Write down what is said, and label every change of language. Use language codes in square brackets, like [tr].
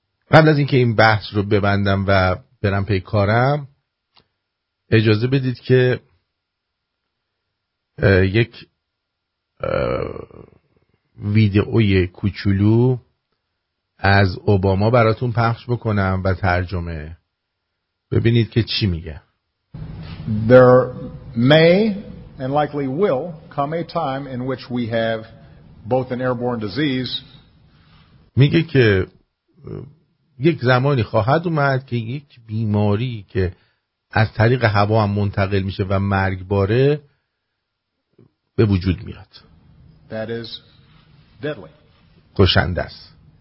[fa] قبل از اینکه این بحث رو ببندم و برم پی کارم، اجازه بدید که یک ویدئوی کوچولو از اوباما براتون پخش بکنم و ترجمه، ببینید که چی میگه. [en] There may and likely will come a time in which we have both an airborne disease. [fa] میگه که یک زمانی خواهد اومد که یک بیماری که از طریق هوا هم منتقل میشه و مرگباره به وجود میاد. [en] That is deadly. [fa] کشنده است.